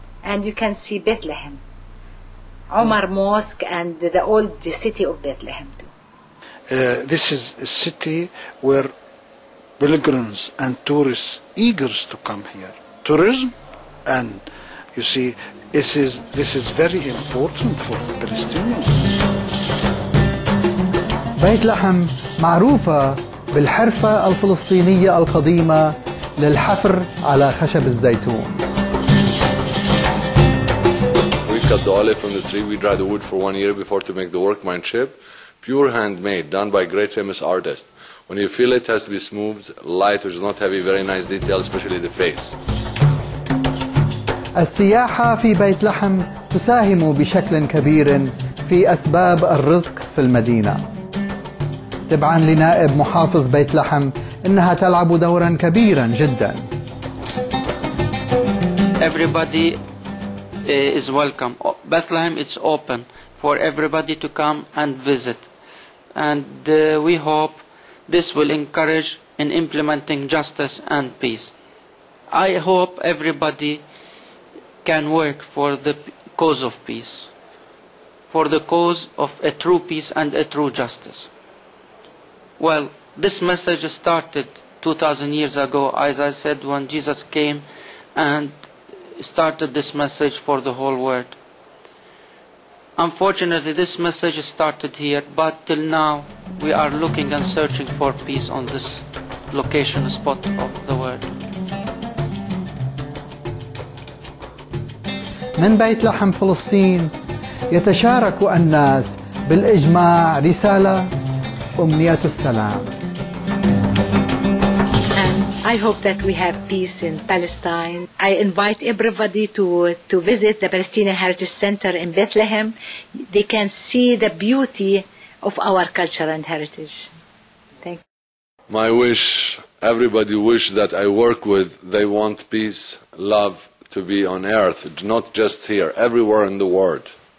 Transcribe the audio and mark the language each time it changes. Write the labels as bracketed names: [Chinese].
[English] And you can see Bethlehem. Omar Mosque and the old city of Bethlehem too. This is a city where pilgrims and tourists eager to come here. Tourism, and you see, this is very important for the Palestinians. [Arabic] بيت لحم معروفة بالحرفة الفلسطينية القديمة للحفر على خشب الزيتون. [English] We cut the olive from the tree. We dry the wood for 1 year before to make the workmanship. Pure handmade, done by great famous artist. When you feel it, has to be smooth, light, which is not heavy, very nice detail, especially the face. [Arabic] السياحة في بيت لحم تساهم بشكل كبير في أسباب الرزق في المدينة. تبعا لنائب محافظ بيت لحم، إنها تلعب دورا كبيرا جدا. [English] Everybody is welcome. Bethlehem is open for everybody to come and visit. And we hope this will encourage in implementing justice and peace. I hope everybody can work for the cause of peace. for the cause of a true peace and a true justice. Well, this message started 2,000 years ago, as I said, when Jesus came and started this message for the whole world. Unfortunately, this message started here, but till now we are looking and searching for peace on this location, spot of the world. [Arabic] من بيت لحم فلسطين يتشارك الناس بالإجماع رسالة أمنية السلام. [English] I hope that we have peace in Palestine. I invite everybody to visit the Palestinian Heritage Center in Bethlehem. They can see the beauty of our culture and heritage. Thank you. My wish, everybody wish that I work with, they want peace, love to be on earth, not just here, everywhere in the world.